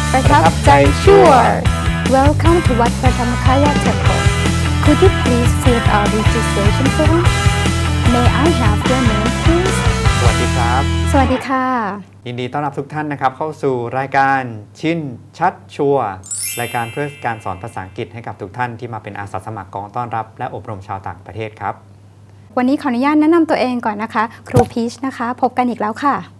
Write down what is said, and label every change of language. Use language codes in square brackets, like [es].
[th] ประทับใจชัวร์ [en] Welcome to Wat Pratamakaya Temple. Could you please see our registration form? May I have your name, please? [th] สวัสดีครับ สวัสดีค่ะ ยินดีต้อนรับทุกท่านนะครับเข้าสู่รายการชินชัดชัวร์รายการเพื่อการสอนภาษาอังกฤษให้กับทุกท่านที่มาเป็นอาสาสมัครกองต้อนรับและอบรมชาวต่างประเทศครับ วันนี้ขออนุญาตแนะนำตัวเองก่อนนะคะครูพีชนะคะพบกันอีกแล้วค่ะ